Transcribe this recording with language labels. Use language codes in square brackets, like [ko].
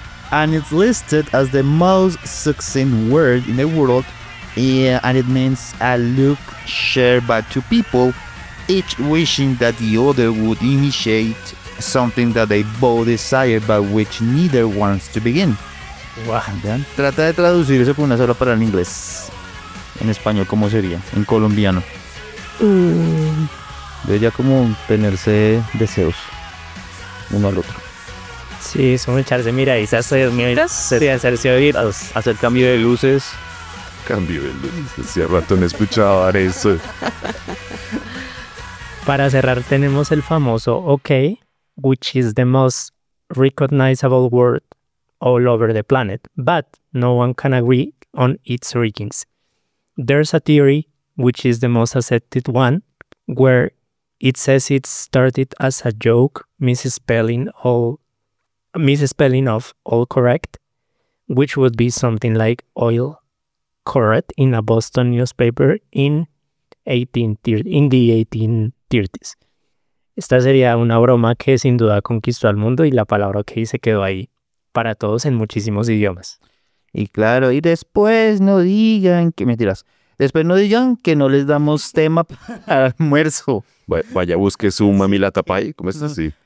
[en] And it's listed as the most succinct word in the world. And it means a look shared by two people, each wishing that the other would initiate something that they both desire, but which neither wants to begin. Wow. [es] Trata de traducir eso con una sola palabra en inglés. En español, ¿cómo sería? En colombiano. Debe ya como tenerse deseos uno al otro. Sí, son echarse miradizas. Hacer cambio de luces. Cambio de luces. Hace rato no escuchaba eso. Para cerrar, tenemos el famoso OK, [en] which is the most recognizable word all over the planet, but no one can agree on its origins. There's a theory, which is the most accepted one, where it says it started as a joke, misspelling of all correct, which would be something like oil correct in a Boston newspaper in the 1830s. [es] Esta sería una broma que sin duda conquistó al mundo y la palabra OK se quedó ahí para todos en muchísimos idiomas. Y claro, y después no digan que mentiras. Después no digan que no les damos tema para almuerzo. Vaya, busque su mamila tapay. ¿Cómo es así?